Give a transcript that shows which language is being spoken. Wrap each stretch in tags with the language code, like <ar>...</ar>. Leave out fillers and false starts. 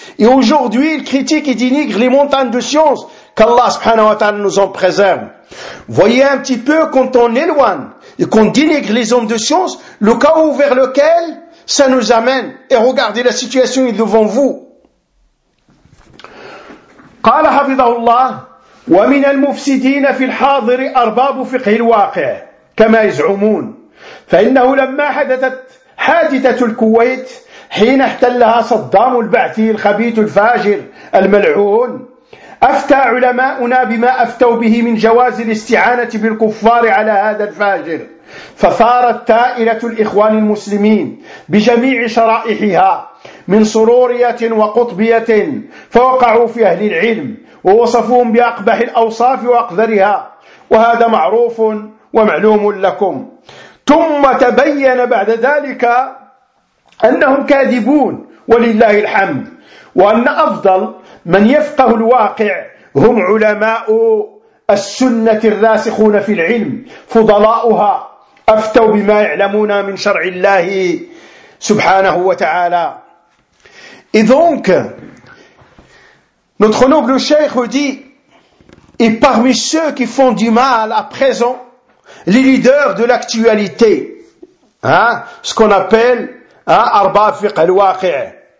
<fr>Et aujourd'hui, ils critiquent et dénigrent les montagnes de science, qu'Allah subhanahu wa ta'ala nous en préserve. Voyez un petit peu quand on éloigne et qu'on dénigre les hommes de science, le chaos vers lequel ça nous amène. Et regardez la situation est devant vous.</fr> <ar>قال حفظه الله ومن المفسدين في الحاضر أرباب فقه الواقع كما يزعمون فإنه لما حدثت حادثة الكويت حين احتلها صدام البعثي الخبيث الفاجر الملعون أفتى علماؤنا بما أفتوا به من جواز الاستعانة بالكفار على هذا الفاجر فثارت تائلة الإخوان المسلمين بجميع شرائحها من صرورية وقطبية فوقعوا في أهل العلم ووصفوهم بأقبح الأوصاف وأقذرها وهذا معروف ومعلوم لكم ثم تبين بعد ذلك أنهم كاذبون ولله الحمد وأن أفضل من يفقه الواقع هم علماء السنة الراسخون في العلم فضلاؤها أفتوا بما يعلمون من شرع الله سبحانه وتعالى.</ar> <fr>Et donc, notre noble cheikh dit, et parmi ceux qui font du mal à présent, les leaders de l'actualité, ce qu'on appelle Arba Fiqh al-Waqi',</fr>